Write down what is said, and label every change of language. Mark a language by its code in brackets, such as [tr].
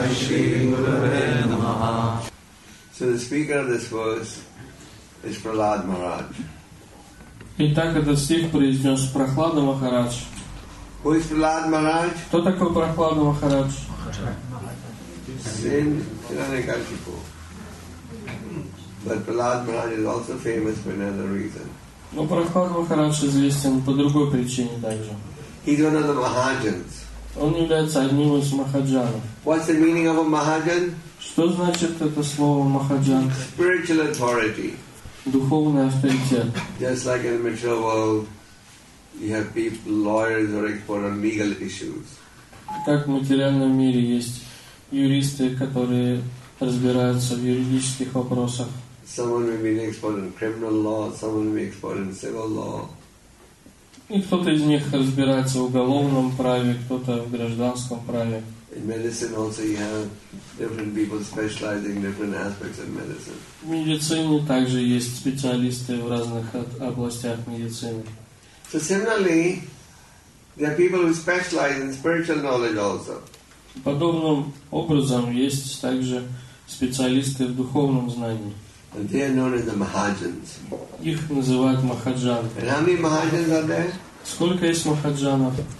[en] So the speaker of this verse is Prahlad Maharaj. [ru] Итак, этот стих произнес Прахлада Махарадж. [en] Who is Prahlad Maharaj? [ru] Кто такой Прахлада Махарадж? Сын Хиранякашипу. [en] But Prahlad Maharaj is also famous for another reason. [ru] Но Прахлада Махарадж известен по другой причине также. [en] He's one of the Mahajans. [ru] Он является одним из Махаджанов. [en] What's the meaning of a Mahajan? [ru] Что значит это слово Махаджан? [en] Spiritual authority. [ru] Духовный авторитет. [en] Just like in the material world, you have people, lawyers or experts on legal issues. [ru] Как в материальном мире есть юристы, которые разбираются в юридических вопросах. [en] Someone may be an expert in criminal law, someone may be an expert in civil law. [ru] И кто-то из них разбирается в уголовном праве, кто-то в гражданском праве. [en] In medicine also you have different people specializing in different aspects of medicine. [ru] В медицине также есть специалисты в разных областях медицины. [en] So similarly, there are people who specialize in spiritual knowledge also. [ru] Подобным образом есть также специалисты в духовном знании. [en] And they are known as the Mahajans. [ru] Их называют Махаджан. [en] And how many Mahajans are there? [ru] Сколько есть махаджанов?